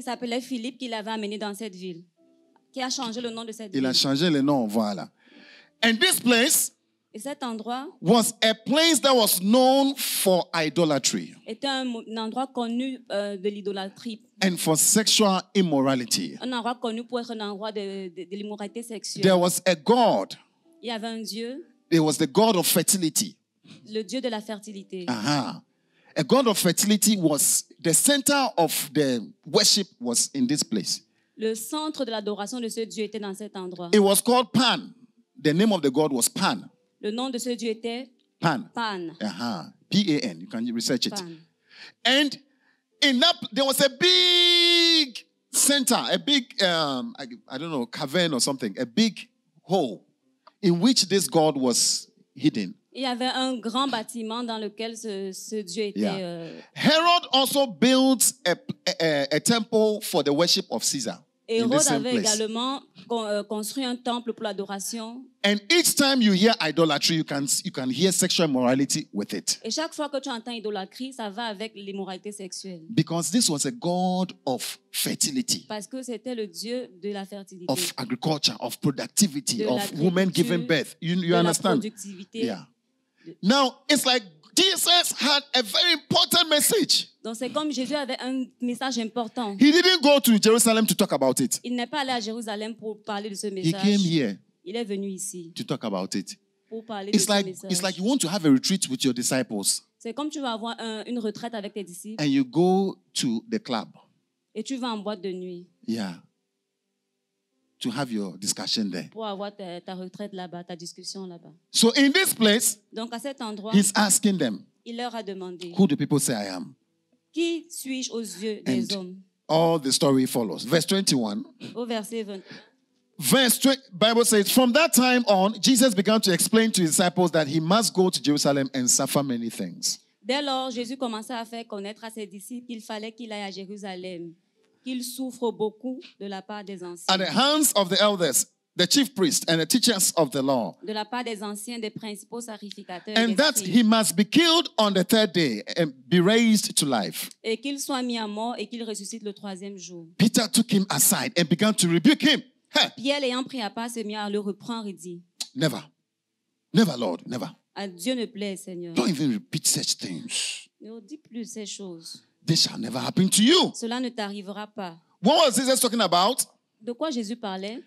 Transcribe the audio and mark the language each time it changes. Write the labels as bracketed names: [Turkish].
[French] s'appelait Philippe qui l'avait amené dans cette ville, qui a changé le nom de cette ville. Il a changé le nom, voilà. [English] And this place [French] cet [English] was a place that was known for idolatry. [French] Était un endroit connu de l'idolâtrie. [English] And for sexual immorality. [French] Un endroit connu pour être un endroit de l'immoralité sexuelle. [English] There was a god. [French] Il y avait un dieu. [English] It was the god of fertility. [French] Le dieu de la fertilité. [English] A god of fertility was the center of the worship was in this place. [French] Le centre de l'adoration de ce dieu était dans cet endroit. [English] It was called Pan. The name of the god was Pan. [French] Le nom de ce dieu était Pan. Pan. [English] P-A-N. You can research it. Pan. And in that, there was a big center, a big, cavern or something, a big hole in which this god was hidden. [French] Il y avait un grand bâtiment dans lequel ce dieu était. [English] Yeah. Herod also built a temple for the worship of Caesar. [French] Hérode avait également construit un temple pour l'adoration. [English] And each time you hear idolatry, you can hear sexual immorality with it. [French] Et chaque fois que tu entends idolâtrie, ça va avec l'immoralité sexuelle. [English] Because this was a god of fertility. [French] Parce que c'était le dieu de la fertilité. [English] Of agriculture, of productivity, of women giving birth. You understand? [French] De la productivité. [English] Yeah. Now it's like Jesus had a very important message. [French] Donc c'est comme Jésus avait un message important. [English] He didn't go to Jerusalem to talk about it. [French] Il n'est pas allé à Jérusalem pour parler de ce message. [English] He came here. [French] Il est venu ici. [English] To talk about it. [French] Pour parler [English] it's [French] de [English] like, [French] ce message. [English] It's like you want to have a retreat with your disciples. [French] C'est comme tu vas avoir une retraite avec tes disciples. [English] And you go to the club. [French] Et tu vas en boîte de nuit. [English] Yeah. To have your discussion there. [French] Pour avoir ta retraite là-bas, ta discussion là-bas. [English] So in this place, [French] donc à cet endroit, [English] he's asking them, [French] il leur a demandé, [English] who do people say I am? [French] Qui suis-je aux yeux [English] and [French] des hommes? [English] All the story follows. Verse 21. [French] Au verset 21. [English] Verse 20, Bible says, from that time on, Jesus began to explain to his disciples that he must go to Jerusalem and suffer many things. [French] Dès lors, Jésus commença à faire connaître à ses disciples qu'il fallait qu'il aille à Jérusalem. Qu'il souffre beaucoup de la part des anciens. [English] At the hands of the elders, the chief priests, and the teachers of the law. [French] De la part des anciens, des principaux sacrificateurs. [English] And that he must be killed on the third day and be raised to life. [French] Et qu'il soit mis à mort et qu'il ressuscite le troisième jour. [English] Peter took him aside and began to rebuke him. Hey. [French] Pierre l'ayant pris à part, se mit à le reprendre et dit. [English] Never. Never, Lord, never. [French] À Dieu ne plaît, Seigneur. [English] Don't even repeat such things. [French] Ne dis plus ces choses. [English] This shall never happen to you. [French] Cela ne t'arrivera pas. [English] What was Jesus talking about? [French] De quoi Jésus parlait?